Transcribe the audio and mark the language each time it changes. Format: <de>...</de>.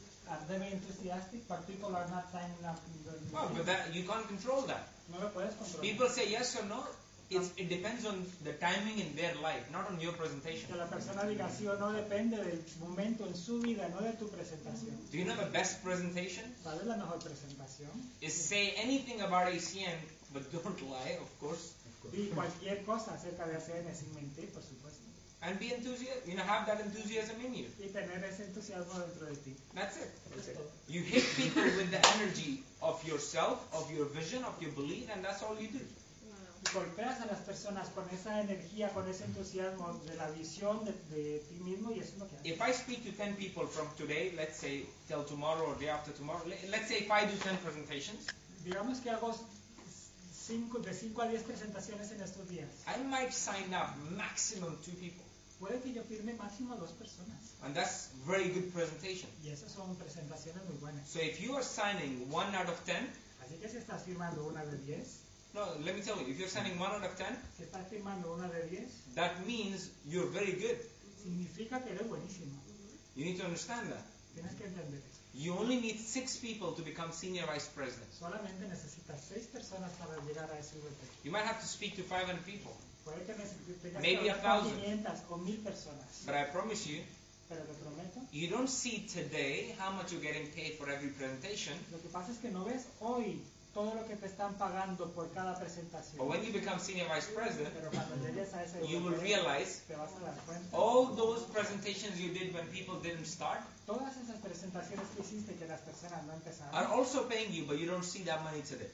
<en>I'm very enthusiastic, but people are not signing up. Well, but that you can't control that.</en> <es>No lo puedes controlar.</es> <en>People say yes or no. It depends on the timing in their life, not on your presentation.</en> <es>Que la persona diga sí o no depende del momento en su vida, no de tu presentación.</es> <en>Do you know the best presentation?</en> <es>¿Cuál es la mejor presentación?</es> <en>Is say anything about ACN, but don't lie, of course.</en> <es>Di cualquier cosa acerca de ACN sin mentir, por supuesto.</es> <en>And be enthusiastic, you know, have that enthusiasm in you.</en> <es>Y tener ese entusiasmo dentro de ti.</es> <en>That's it. You hit people with the energy of yourself, of your vision, of your belief, and that's all you do.</en> <es>Golpeas a las personas con esa energía, con ese entusiasmo de la visión de ti mismo y eso es lo que haces.</es> <en>If I speak to 10 people from today, let's say till tomorrow or day after tomorrow, let's say if I do 10 presentations,</en> <es>digamos que hago de 5 a 10 presentaciones en estos días,</es> <en>I might sign up maximum 2 people.</en> <es>Puede que yo firme máximo 2 personas.</es> <en>And that's very good presentation.</en> <es>Y esas son presentaciones muy buenas.</es> <en>So if you are signing 1 out of 10,</en> <es>así que si estás firmando 1 de 10,</es> <en>no, let me tell you, if you're signing 1 out of 10,</en> <es>si estás firmando una de 10,</es> <en>that means you're very good.</en> <es>Significa que eres buenísimo.</es> <en>You need to understand that.</en> <es>Tienes que entender eso.</es> <en>You only need 6 people to become senior vice president.</en> <es>Solamente necesitas 6 personas para llegar a ese nivel.</es> <en>You might have to speak to 500 people.</en> <es>Puede que necesites</es> <en>maybe 1,000.</en> <es>500 o 1,000 personas.</es> <en>But I promise you,</en> <es>pero te prometo,</es> <en>you don't see today how much you're getting paid for every presentation.</en> <es>Lo que pasa es que no ves hoy todo lo que te están pagando por cada presentación.</es> <en>But when you become senior vice president,</en> <es>pero cuando llegues a ese</es> <en>you will realize</en> <es>te vas a dar cuenta,</es> <en>all those presentations you did when people didn't start</en> <es>todas esas presentaciones que hiciste que las personas no empezaron,</es> <en>are also paying you, but you don't see that money today.</en>